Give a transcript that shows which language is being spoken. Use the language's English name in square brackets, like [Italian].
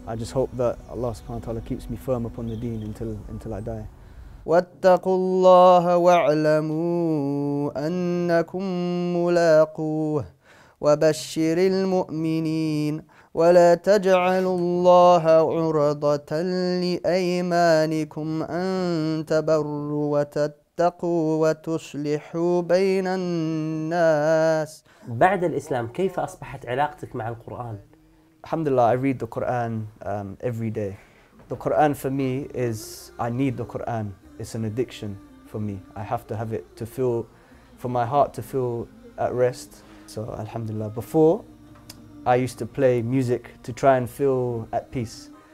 [English] I just hope that Allah subhanahu wa ta'ala keeps me firm upon the deen until I die. [Arabic] واتقوا الله واعلموا أنكم ملاقوه وبشر المؤمنين ولا تجعلوا الله عرضة لأيمانكم أن تبروا وتتقوا وتصلحوا بين الناس. بعد الإسلام كيف أصبحت علاقتك مع القرآن؟ الحمد لله, [English] I read the Quran every day. The Quran for me is, I need the Quran. It's an addiction for me. I have to have it to feel, for my heart to feel at rest. So alhamdulillah. Before, I used to play music to try and feel at peace.